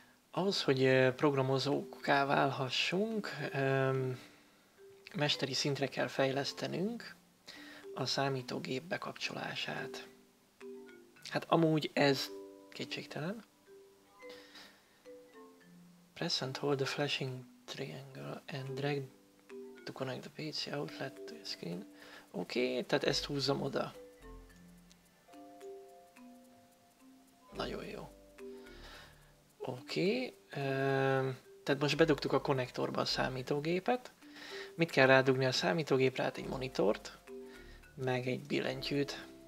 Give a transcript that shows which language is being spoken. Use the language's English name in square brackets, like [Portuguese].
[Hungarian] Ahhoz, hogy programozókká válhassunk, mesteri szintre kell fejlesztenünk a számítógép bekapcsolását. Hát amúgy ez kétségtelen. [English] Press and hold the flashing triangle and drag to connect the PC outlet to the screen. [Hungarian] Oké, tehát ezt húzzam oda. Nagyon jó. Oké, tehát most bedugtuk a konnektorba a számítógépet. Mit kell rádugni a számítógépre? Hát egy monitort, meg egy billentyűt.